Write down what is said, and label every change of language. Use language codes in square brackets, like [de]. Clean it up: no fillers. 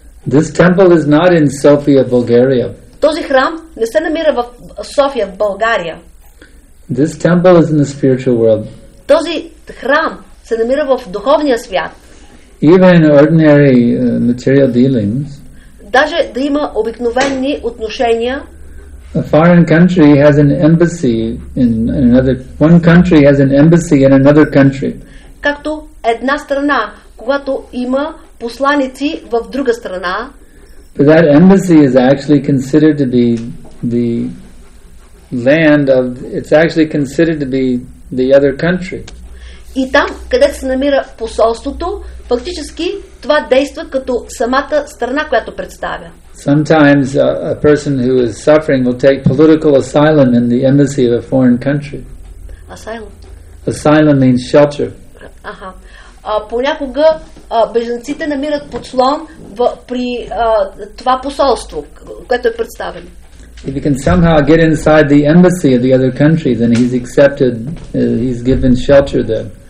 [en] This temple is not in Sofia, Bulgaria. [bg] Този храм не се намира в София, в България. [en] This temple is in the spiritual world. [bg] Този храм се намира в духовния свят. [en] Even ordinary material dealings, [bg] даже да има обикновени отношения. [en] A foreign country has an embassy in another one country has an embassy in another country. [bg] Както една страна, когато има посланици в друга страна. [en] But that embassy is actually considered to be the land of it's actually considered to be the other country. [bg] И там, където се намира посолството, фактически това действа като самата страна, която представя. [en] Sometimes a person who is suffering will take political asylum in the embassy of a foreign country. Asylum. Asylum means shelter. Аха. [bg] Понякога бежанците намират подслон при това посолство, което е представено. [en] If he can somehow get inside the embassy of the other country, then he's accepted, he's given shelter there.